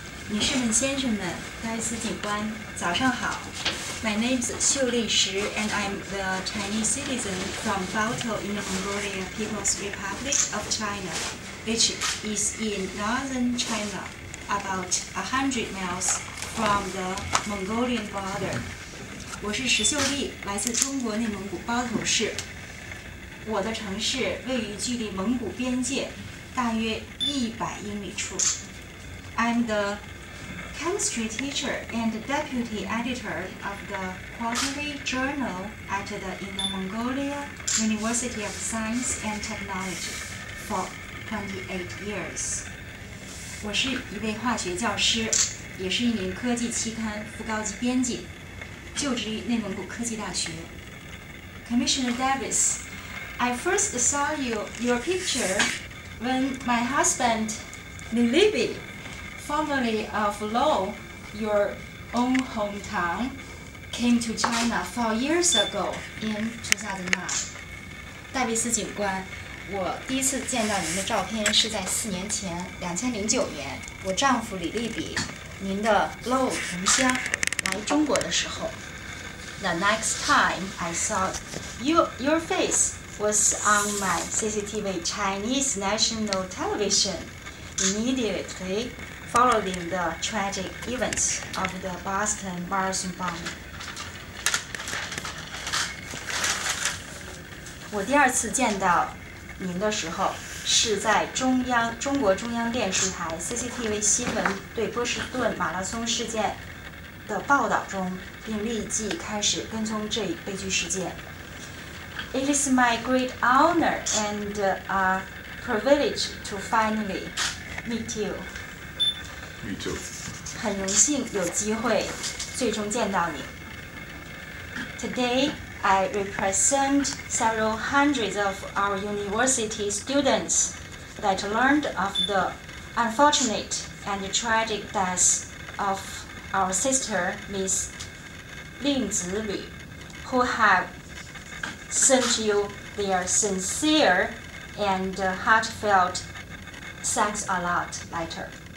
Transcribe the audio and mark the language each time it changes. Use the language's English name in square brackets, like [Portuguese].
[Chinese] 女士们、先生们、该司警官，早上好。 [English] My name is Xiuli Shi and I'm the Chinese citizen from Baotou in the Mongolian People's Republic of China, which is in northern China, about 100 miles from the Mongolian border. [Chinese] 我是石秀丽，来自中国内蒙古包头市。我的城市位于距离蒙古边界大约100英里处。 [English] I'm the chemistry teacher and deputy editor of the quarterly journal at the Inner Mongolia University of Science and Technology for 28 years. [Chinese] 我是一位化学教师，也是一名科技期刊副高级编辑，就职于内蒙古科技大学。 [English] Commissioner Davis, I first saw your picture when my husband, Libbey,formerly of Low, your own hometown, came to China 4 years ago in 2009. [Chinese] 戴维斯警官，我第一次见到您的照片是在4年前，2009年，我丈夫李立比，您的 Low 同乡，来中国的时候。 [English] The next time I saw your face was on my CCTV Chinese National Television immediately, following the tragic events of the Boston Marathon bombing. [Chinese] 我第二次见到您的时候是在中国中央电视台 CCTV 新闻对波士顿马拉松事件的报道中，并立即开始跟踪这一悲剧事件。 [English] It is my great honor and a privilege to finally meet you. Me too. [Chinese] 很荣幸有机会最终见到你。 [English] Today, I represent several hundreds of our university students that learned of the unfortunate and tragic death of our sister, Miss Lin Zili, who have sent you their sincere and heartfelt thanks a lot letter.